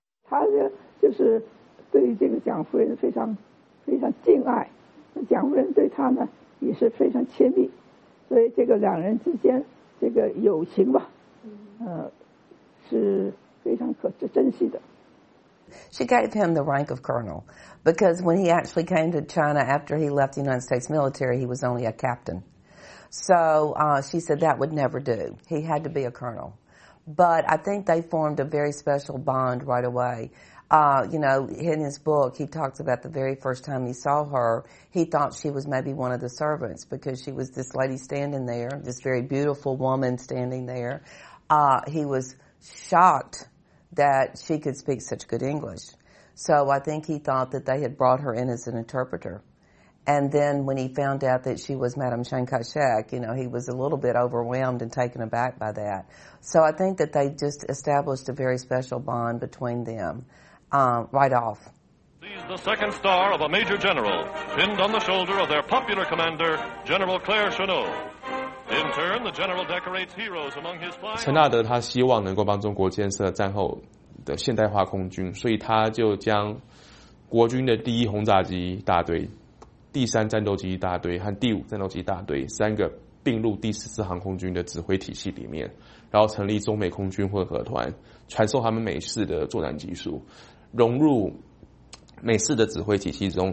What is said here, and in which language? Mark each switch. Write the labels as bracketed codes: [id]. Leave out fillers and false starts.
[zh] 他就是对于这个蒋夫人非常非常敬爱，蒋夫人对他呢也是非常亲密，所以这个两人之间这个友情吧，是非常可珍惜的。 [en] She gave him the rank of colonel because when he actually came to China after he left the United States military, he was only a captain. So she said that would never do. He had to be a colonel. But I think they formed a very special bond right away. In his book, he talks about the very first time he saw her, he thought she was maybe one of the servants because she was this lady standing there, this very beautiful woman standing there. He was shocked that she could speak such good English. So I think he thought that they had brought her in as an interpreter. And then when he found out that she was Madame Chiang Kai-shek, he was a little bit overwhelmed and taken aback by that. So I think that they just established a very special bond between them, right off. He's the second star of a major general, pinned on the shoulder of their popular commander, General Claire Chenot. In turn, the general decorates heroes among his flying. [zh] 陈纳德他希望能够帮中国建设战后的现代化空军，所以他就将国军的第一轰炸机大队、第三战斗机大队和第五战斗机大队三个并入第14航空军的指挥体系里面。然后成立中美空军混合团，传授他们美式的作战技术，融入美式的指挥体系中。